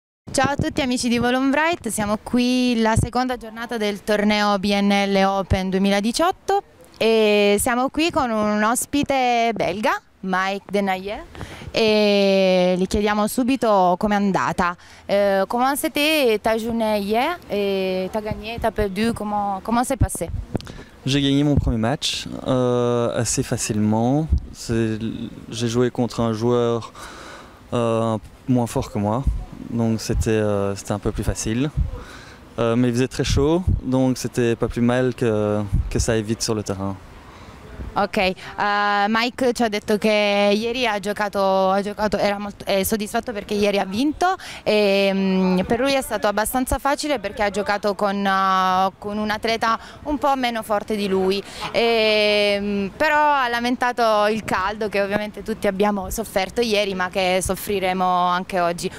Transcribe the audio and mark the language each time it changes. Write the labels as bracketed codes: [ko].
[it] Ciao a tutti amici di Volumbrite, siamo qui la seconda giornata del torneo BNL Open 2018 e siamo qui con un ospite belga, Mike Denayer, e gli chiediamo subito com'è andata. [fr] Comment c'était ta journée hier? T'as gagné, t'as perdu, comment s'est passé? J'ai gagné mon premier match assez facilement. J'ai joué contre un joueur moins fort que moi, donc c'était un peu plus facile. Mais il faisait très chaud, donc c'était pas plus mal que ça aille vite sur le terrain. [it] Ok, Mike ci ha detto che ieri ha giocato, è soddisfatto perché ieri ha vinto e per lui è stato abbastanza facile perché ha giocato con un atleta un po' meno forte di lui, però ha lamentato il caldo che ovviamente tutti abbiamo sofferto ieri ma che soffriremo anche oggi.